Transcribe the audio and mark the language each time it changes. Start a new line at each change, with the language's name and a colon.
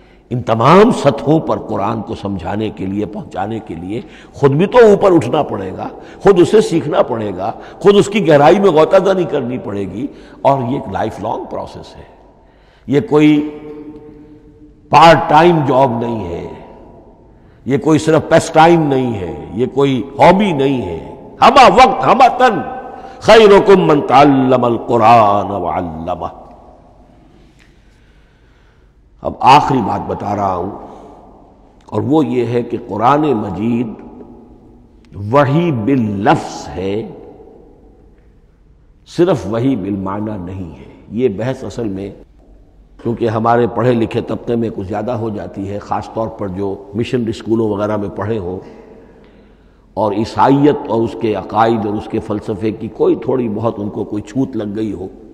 Urdu: ان تمام سطحوں پر قرآن کو سمجھانے کے لیے، پہنچانے کے لیے خود بھی تو اوپر اٹھنا پڑے گا، خود اسے سیکھنا پڑے گا، خود اس کی گہرائی میں غوطہ زنی کرنی پڑے گی. اور یہ ایک لائف لانگ پروسیس ہے، یہ کوئی پارٹ ٹائم جاب نہیں ہے، یہ کوئی صرف پیس ٹائم نہیں ہے، یہ کوئی ہابی نہیں ہے. ہما وقت ہما تن.
Arabic: خیرکم من تعلم القرآن وعلمہ.
Urdu: اب آخری بات بتا رہا ہوں، اور وہ یہ ہے کہ قرآن مجید وحی باللفظ ہے، صرف وحی بالمعنی نہیں ہے. یہ بحث اصل میں، کیونکہ ہمارے پڑھے لکھے طبقے میں کچھ زیادہ ہو جاتی ہے، خاص طور پر جو مشن اسکولوں وغیرہ میں پڑھے ہوں، اور عیسائیت اور اس کے عقائد اور اس کے فلسفے کی کوئی تھوڑی بہت ان کو کوئی چھوت لگ گئی ہو.